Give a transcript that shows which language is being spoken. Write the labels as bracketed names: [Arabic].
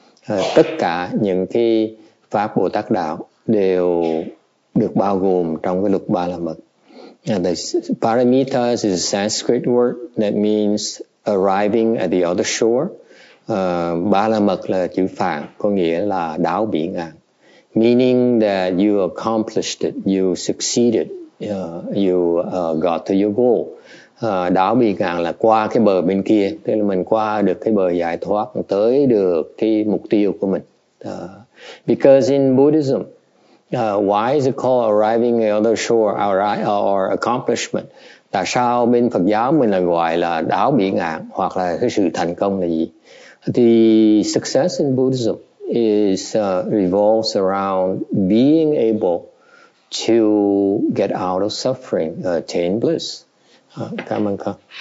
[Vietnamese] Tất cả những cái pháp Bồ Tát đạo đều được bao gồm trong cái lục ba la mật. [English] And the paramitas is a Sanskrit word that means arriving at the other shore. [Vietnamese] Ba la mật là chữ phạn, có nghĩa là đáo biển ngàn. [English] Meaning that you accomplished it, you succeeded, you got to your goal. [Vietnamese] Đáo biển ngàn là qua cái bờ bên kia, tức là mình qua được cái bờ giải thoát, tới được cái mục tiêu của mình. [English] Because in Buddhism, why is it called arriving at the other shore or accomplishment? [Vietnamese] Tại sao bên Phật giáo mình là gọi là đáo biển ngạn hoặc là cái sự thành công là gì? [English] The success in Buddhism is revolves around being able to get out of suffering, attain bliss. [Vietnamese] Cảm ơn con.